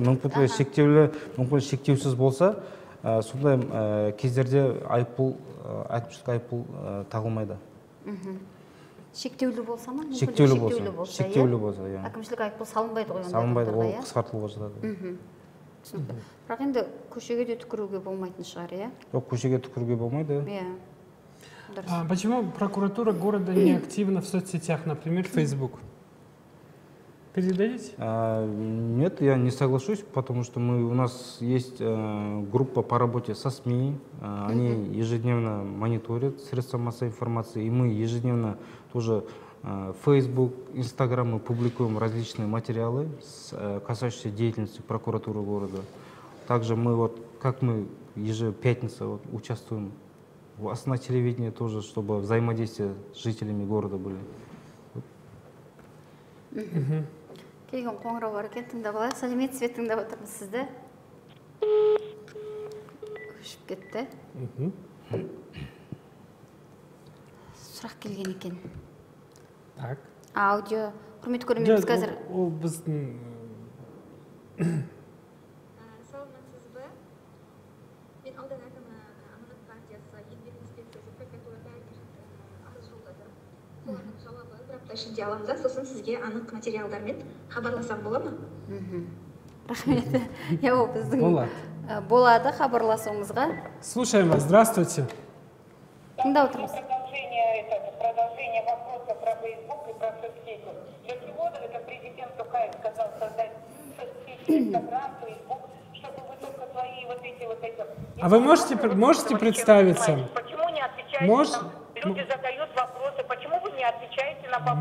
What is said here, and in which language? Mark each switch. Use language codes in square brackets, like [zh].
[kk] Мүмкіншілігі шектеусіз болса, сонда кездерде әкімшілік айыппұл тағылмайды. Шектеулі болса ма? Шектеулі болса. Шектеулі болса, иә. Әкімшілік айыппұл салынбайды ғой. Салынбайды, ол қысқартылуға жатады. Бірақ енді көшеге де түкіруге болмайтын шығар, иә? Жоқ, көшеге түкіруге болмайды. Иә. [ru] Почему прокуратура города не активна в соцсетях, например, Facebook? Нет, я не соглашусь, потому что у нас есть группа по работе со СМИ, они ежедневно мониторят средства массовой информации, и мы ежедневно тоже Facebook, Instagram мы публикуем различные материалы, касающиеся деятельности прокуратуры города. Также мы вот, как мы ежепятница вот, участвуем в основном телевидении тоже, чтобы взаимодействие с жителями города были. [kk] Келген қоңырау бар екен, тыңдап алайық. Сәлеметсіз бе, тыңдап отырмыз сізді? Көшіп кетті. Сұрақ келген екен. [ru] Так. Аудио. [kk] Құрмет көрмейміз қазір. Ол біздің... Сәлеметсіз бе? Мен алдан әкімі Аманат партиясы, еңбек инспекциясы, прокуратура бәрі арыз жолдады. Олардың жауабы бір апта ішінде аламыз, сосын сізге анық материалдармен хабарласам бола ма? Рахмет. Я біздің... Болады. Болады хабарласуыңызға. [ru] Слушаем вас. Здравствуйте. [kk] Тыңдап отырмыз. [ru] Продолжение вопроса про Facebook и про соцсети. Для чего это президент Тукаев сказал создать соцсети, Instagram, Facebook, чтобы вы только свои вот эти вот эти... А вы можете представиться? Почему не отвечаете? Люди задают вопросы. Почему вы не отвечаете на вопросы?